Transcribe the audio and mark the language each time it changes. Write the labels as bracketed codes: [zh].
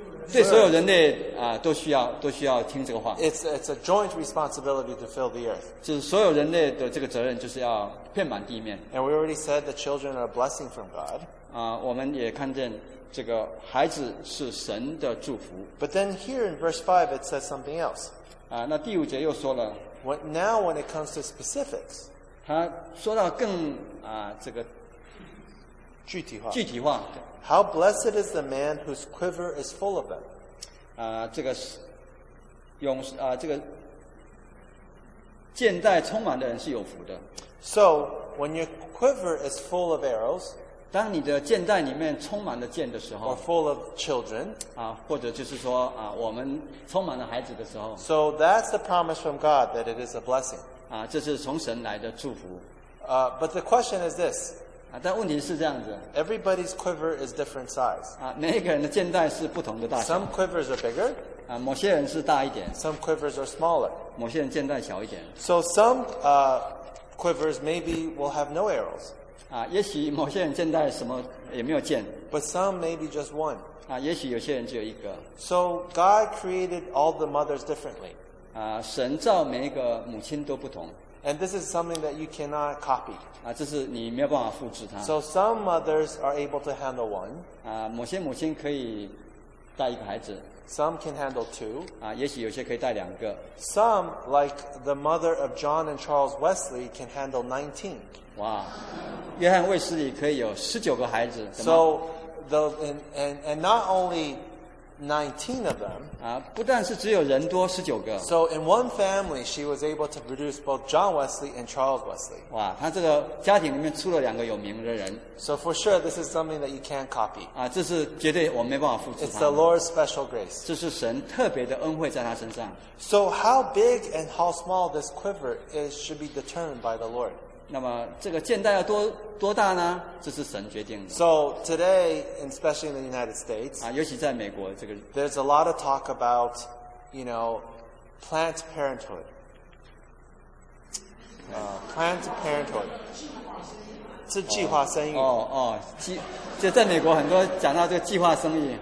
[zh] 对所有人类啊，都需要听这个话。 [en] It's a joint responsibility to fill the earth. [zh] 就是所有人类的这个责任，就是要遍满地面。 [en] And we already said the children are a blessing from God. [zh] 啊，我们也看见这个孩子是神的祝福。 [en] But then here in verse 5 it says something else. [zh] 啊，那第五节又说了。 [en] Now when it comes to specifics, [zh] 他说到更啊这个具体化。具体化。 [en] How blessed is the man whose quiver is full of them? [zh] 啊，这个是勇啊，这个箭袋充满的人是有福的。 [en] So when your quiver is full of arrows, [zh] 当你的箭袋里面充满了箭的时候 [en] ，or full of children, [zh] 啊，或者就是说啊，我们充满了孩子的时候 [en] ，so that's the promise from God that it is a blessing. [zh] 啊，这是从神来的祝福。 [en] But the question is this. [zh] 但问题是这样子。 [en] Everybody's quiver is different size. [zh] 啊，每一个人的箭袋是不同的大小。 [en] Some quivers are bigger. [zh] 啊，某些人是大一点。 [en] Some quivers are smaller. [zh] 某些人箭袋小一点。 [en] So some quivers maybe will have no arrows. [zh] 啊，也许某些人箭袋什么也没有箭。 [en] But some maybe just one. [zh] 啊，也许有些人只有一个。 [en] So God created all the mothers differently. [zh] 啊，神造每一个母亲都不同。 [en] And this is something that you cannot copy. [zh] 啊，这是你没有办法复制它。 [en] So some mothers are able to handle one. [zh] 啊，某些母亲可以带一个孩子。 [en] Some can handle two. [zh] 啊，也许有些可以带两个。 [en] Some, like the mother of John and Charles Wesley, can handle 19. [zh] 哇，约翰·卫斯理可以有19个孩子。 [en] So the and not only 19 of them. [zh] 啊，不但是只有人多19个。 [en] So in one family, she was able to produce both John Wesley and Charles Wesley. [zh] 哇，她这个家庭里面出了两个有名的人。 [en] So for sure, this is something that you can't copy. [zh] 啊，这是绝对我没办法复制。 [en] It's the Lord's special grace. [zh] 这是神特别的恩惠在她身上。 [en] So how big and how small this quiver is should be determined by the Lord. [zh] 那么这个箭袋要多大呢？这是神决定的。 [en] So today, especially in the United States, [zh] 啊，尤其在美国，这个 [en] there's a lot of talk about, you know, planned parenthood. Planned parenthood. [zh] 是计划生育。哦哦，就在美国很多讲到这个计划生育。